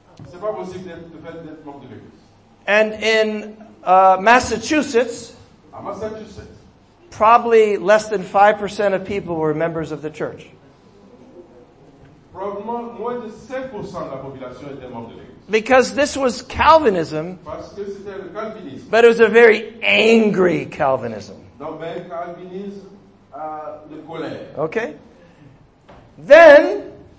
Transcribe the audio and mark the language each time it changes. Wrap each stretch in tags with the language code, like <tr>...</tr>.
<fr>C'est pas possible de faire d'être mort de l'église.</fr> <en>And in Massachusetts,</en> <fr>à Massachusetts,</fr> <en>probably less than 5% of people were members of the church.</en> <fr>Probablement moins de 5% de la population était membre de l'église.</fr> <en>Because this was Calvinism,</en> <fr>parce que c'était le calvinisme,</fr> <en>but it was a very angry Calvinism.</en> <fr>Donc, ben, calvinisme de colère.</fr> <en>Okay. Then,</en>